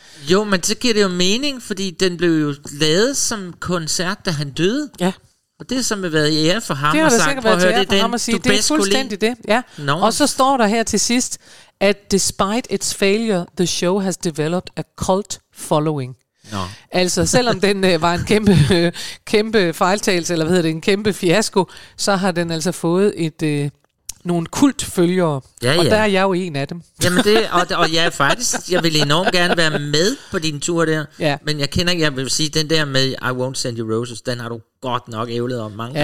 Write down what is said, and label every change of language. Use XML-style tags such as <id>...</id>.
<da>Jo, men så giver det jo mening, fordi den blev jo lavet som koncert, da han døde. Ja. Og det som har været ære for ham, det har sagt, sikkert været ære for ham at sige, det er fuldstændig det. Ja.</da> <en>No.</en> <da>Og så står der her til sidst, at</da> <en>despite its failure, the show has developed a cult following. No.</en> <da>Altså selvom den var en kæmpe, kæmpe fejltagelse, eller hvad hedder det, en kæmpe fiasko, så har den altså fået nogle kultfølgere. Ja, og der er jeg jo en af dem. Jamen det, og jeg er faktisk, jeg vil enormt gerne være med på din tur der. Ja. Men jeg kender, jeg vil sige, den der med I won't send you roses, den har du godt nok ævlet om mange gange.</da>